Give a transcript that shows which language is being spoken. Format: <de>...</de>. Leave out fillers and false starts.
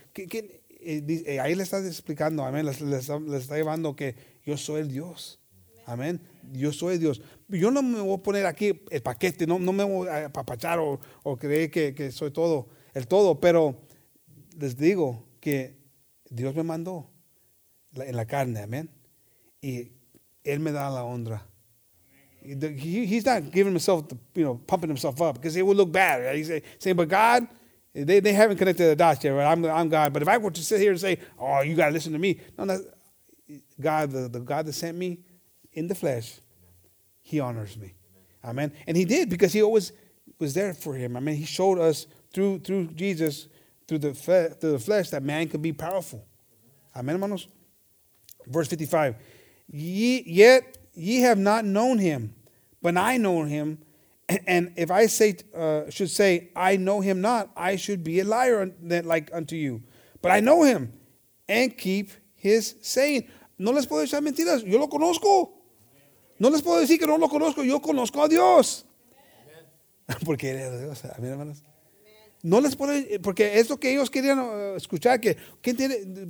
<es>Ahí le está explicando, amén, les está llevando que yo soy el Dios. Amén. Yo soy Dios. Yo no me voy a poner aquí el paquete, no me voy a apapachar o creer que soy todo, el todo, pero les digo que Dios me mandó en la carne, amén. Y él me da la honra.</es> <en>He's not giving himself, pumping himself up, because it would look bad. Right? He's saying, but God, they haven't connected the dots yet, right? I'm God. But if I were to sit here and say, oh, you got to listen to me. No, that's God, the God that sent me in the flesh, he honors me. Amen. And he did, because he always was there for him. I mean, he showed us through Jesus, through the flesh, that man can be powerful. Amen, hermanos. Verse 55, yet ye have not known him, but I know him. And if I say should say, I know him not, I should be a liar like unto you. But I know him and keep his saying.</en> <es>No les puedo echar mentiras. Yo lo conozco. No les puedo decir que no lo conozco. Yo conozco a Dios. Porque eres Dios. Amén, hermanos. No les puedo, porque es lo que ellos querían escuchar, que ¿quién tiene?</es>